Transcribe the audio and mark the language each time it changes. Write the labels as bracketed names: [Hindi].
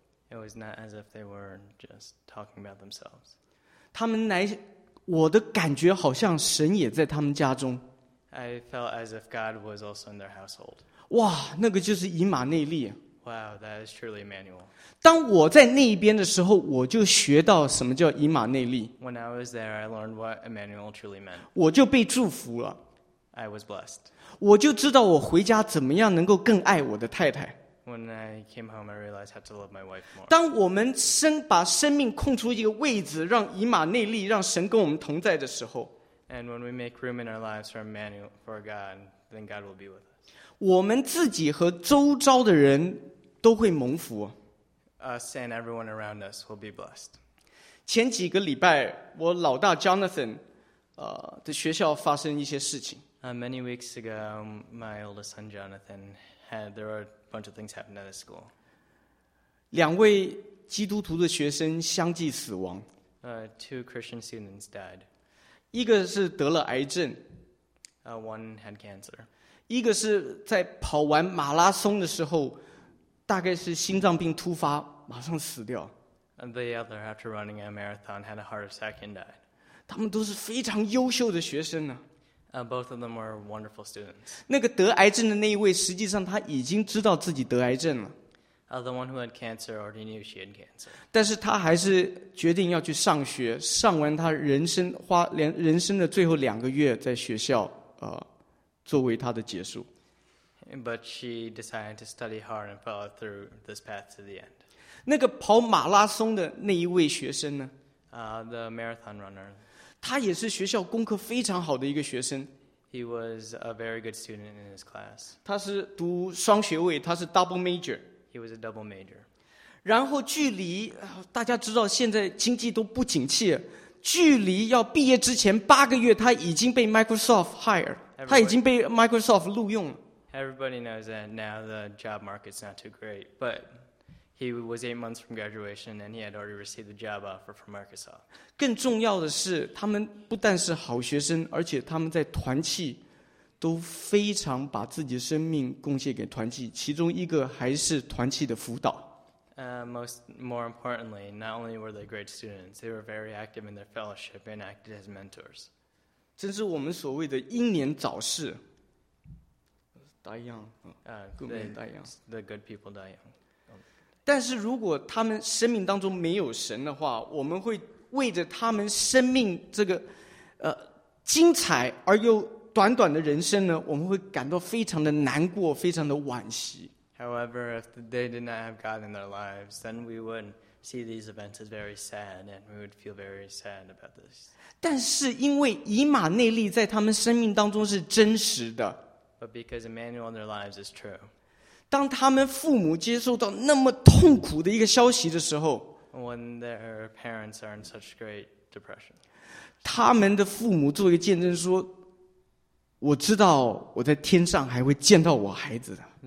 [English] It was not as if they were just talking about themselves. [Chinese] 他们来，我的感觉好像神也在他们家中。 [English] I felt as if God was also in their household. [Chinese] 哇，那个就是以马内利。 [English] Wow, that is truly Emmanuel. [Chinese] 当我在那一边的时候，我就学到什么叫以马内利。 [English] When I was there, I learned what Emmanuel truly meant. [Chinese] 我就被祝福了。 [English] I was blessed. [Chinese] 我就知道我回家怎么样能够更爱我的太太。 [English] When I came home, I realized I had to love my wife more. [Chinese] 当我们把生命空出一个位置，让以马内利，让神跟我们同在的时候 [English] ，And when we make room in our lives for Emmanuel, for God, then God will be with us. [Chinese] 我们自己和周遭的人都会蒙福。 [English] Us and everyone around us will be blessed. [Chinese] 前几个礼拜，我老大 Jonathan, 的学校发生一些事情。 [English] Many weeks ago, my oldest son Jonathan had there are bunch of things happened at the school. [Chinese] 两位基督徒的学生相继死亡。 [English] Two Christian students died. [Chinese] 一个是得了癌症。 [English] One had cancer. [Chinese] 一个是在跑完马拉松的时候，大概是心脏病突发，马上死掉。 [English] The other, after running a marathon, had a heart attack and died. [Chinese] 他们都是非常优秀的学生呢。 [English] Both of them were wonderful students. [Chinese] 那个得癌症的那一位，实际上他已经知道自己得癌症了。 [English] The one who had cancer already knew she had cancer. [Chinese] 但是他还是决定要去上学，上完他人生花连人生的最后两个月在学校，作为他的结束。 [English] But she decided to study hard and follow through this path to the end. [Chinese] 那个跑马拉松的那一位学生呢？ [English] The marathon runner. [Chinese] 他也是学校功课非常好的一个学生。 [English] He was a very good student in his class. [Chinese] 他是读双学位，他是 double major. [English] He was a double major. [Chinese] 然后距离，大家知道现在经济都不景气，距离要毕业之前八个月，他已经被 Microsoft hire， 他已经被 Microsoft 录用了。 [English] Everybody knows that now the job market's not too great, but... He was 8 months from graduation, and he had already received a job offer from Microsoft. [Chinese] 更重要的是，他们不但是好学生，而且他们在团契都非常把自己的生命贡献给团契。其中一个还是团契的辅导。 [English] More importantly, not only were they great students, they were very active in their fellowship and acted as mentors. [Chinese] 真是我们所谓的英年早逝。 [English] The good people die young. [Chinese] 但是如果他们生命当中没有神的话，我们会为着他们生命这个精彩而又短短的人生呢，我们会感到非常的难过，非常的惋惜。 [English] However, if they did not have God in their lives, then we would see these events as very sad, and we would feel very sad about this. [Chinese] 但是因为以马内利在他们生命当中是真实的。 [English] But because Emmanuel in their lives is true. [Chinese] 当他们父母接受到那么痛苦的一个消息的时候 [English] ，When their parents are in such great depression, [Chinese] 他们的父母做一个见证说：“我知道我在天上还会见到我孩子的。”